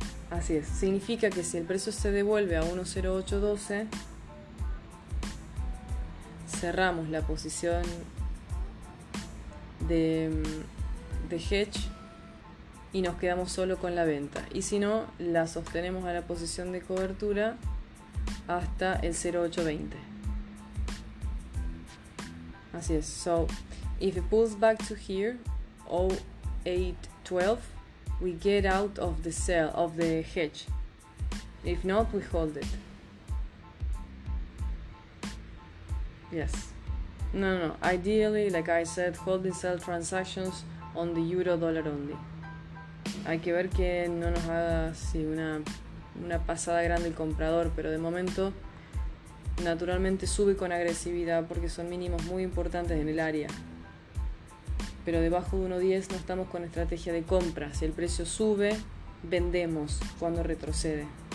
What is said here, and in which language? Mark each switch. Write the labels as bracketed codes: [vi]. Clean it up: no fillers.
[es] Así es, significa que si el precio se devuelve a 1.0812, cerramos la posición de hedge. Y nos quedamos solo con la venta. Y si no, la sostenemos a la posición de cobertura hasta el 0.820. Así es. [en] So, if it pulls back to here, 0.0812, we get out of the sell, of the hedge. If not, we hold it. Yes. No, no, no. Ideally, like I said, hold and sell transactions on the euro dollar only. [es] Hay que ver que no nos haga así una pasada grande el comprador, pero de momento naturalmente sube con agresividad porque son mínimos muy importantes en el área. Pero debajo de 1.10 no estamos con estrategia de compra. Si el precio sube, vendemos cuando retrocede.